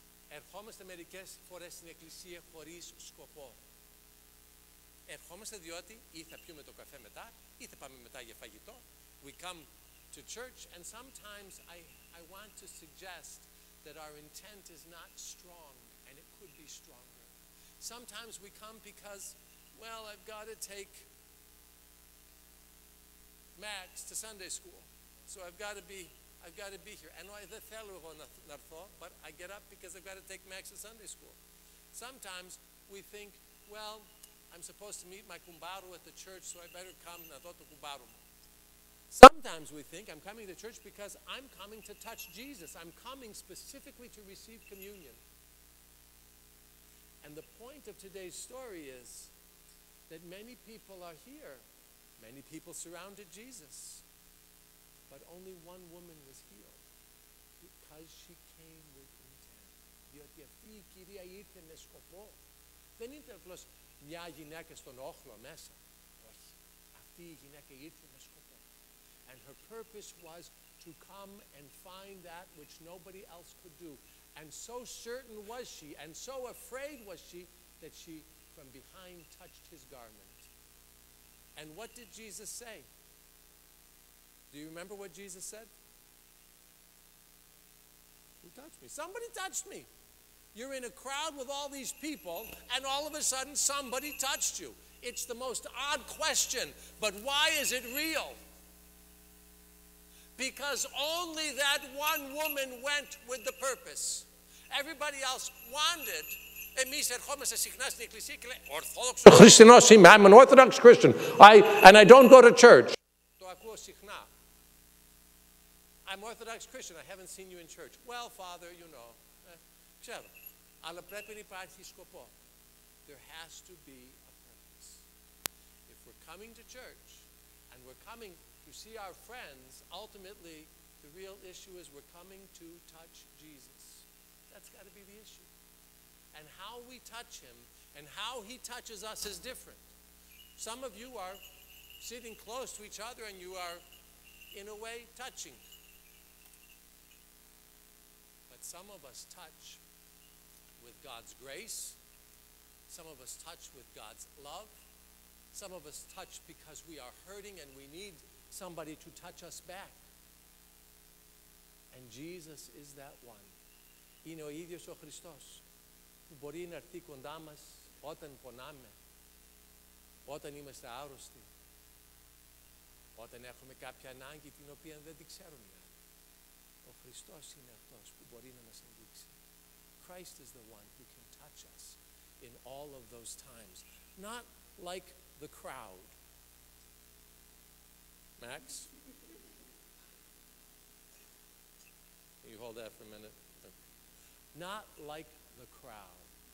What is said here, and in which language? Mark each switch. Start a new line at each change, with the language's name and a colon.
Greek: Ερχόμαστε μερικές φορές στην εκκλησία χωρίς σκοπό. Ερχόμαστε διότι ή θα πιούμε το καφέ μετά, ή θα πάμε μετά για φαγητό.
English: We come to church and sometimes I want to suggest that our intent is not strong and it could be stronger. Sometimes we come because, well, I've got to take Max to Sunday school, so I've got to be here. And I don't want to, but I get up because I've got to take Max to Sunday school. Sometimes we think, well, I'm supposed to meet my kumbaru at the church, so I better come na dot kumbaru. Sometimes we think I'm coming to church because I'm coming to touch Jesus. I'm coming specifically to receive communion. And the point of today's story is that many people are here. Many people surrounded Jesus. But only one woman was healed because she came with intent.
Greek: Διότι αυτή η κυρία ήρθε με σκοπό. Δεν ήταν απλώς μια γυναίκα στον όχλο μέσα. Όχι. Αυτή η γυναίκα ήρθε με σκοπό.
English: And her purpose was to come and find that which nobody else could do. And so certain was she, and so afraid was she, that she from behind touched his garment. And what did Jesus say? Do you remember what Jesus said? Who touched me? Somebody touched me. You're in a crowd with all these people, and all of a sudden somebody touched you. It's the most odd question, but why is it real? Because only that one woman went with the purpose. Everybody else wanted.
Greek: Εμείς ερχόμαστε συχνά στην εκκλησία και λέμε, Orthodox
English: Christian. I'm an Orthodox Christian. I don't go to church.
Greek: Το ακούω συχνά.
English: I'm Orthodox Christian. I haven't seen you in church. Well, Father, you know.
Greek: Ξέρω. Αλλά πρέπει να υπάρχει σκοπό.
English: There has to be a purpose. If we're coming to church and we're coming to see our friends, ultimately the real issue is we're coming to touch Jesus. That's got to be the issue. And how we touch him and how he touches us is different. Some of you are sitting close to each other and you are, in a way, touching. that some of us touch with God's grace, some of us touch with God's love, some of us touch because we are hurting and we need somebody to touch us back. And Jesus is that one.
Greek: Είναι ο ίδιος ο Χριστός που μπορεί να έρθει κοντά μας όταν πονάμε, όταν είμαστε άρρωστοι, όταν έχουμε κάποια ανάγκη την οποία δεν την ξέρουμε. Ο Χριστός είναι αυτός που μπορεί να μας αγγίξει.
English: Christ is the one who can touch us in all of those times. Not like the crowd. Max? Can you hold that for a minute? Not like the crowd.